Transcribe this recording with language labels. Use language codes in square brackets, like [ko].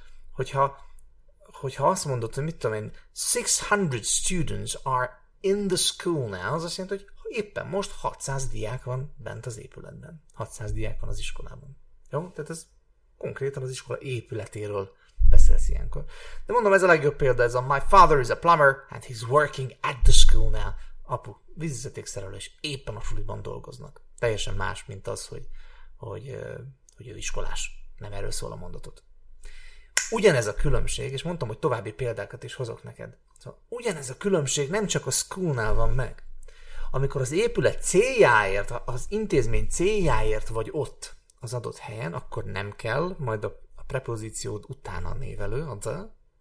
[hu] Hogyha azt mondod, hogy mit tudom én, [en] 600 students are in the school now, [hu] az azt jelenti, hogy éppen most 600 diák van bent az épületben. 600 diák van az iskolában. Jó? Tehát ez konkrétan az iskola épületéről beszélsz ilyenkor. De mondom, ez a legjobb példa, ez a [en] my father is a plumber and he's working at the school now. [hu] Apu, vízvezetékszerelő, és éppen a suliban dolgoznak. Teljesen más, mint az, hogy ő iskolás. Nem erről szól a mondatot. Ugyanez a különbség, és mondtam, hogy további példákat is hozok neked. Szóval ugyanez a különbség nem csak a school-nál van meg. Amikor az épület céljáért, az intézmény céljáért vagy ott az adott helyen, akkor nem kell, majd a prepozíciód utána névelő, adza.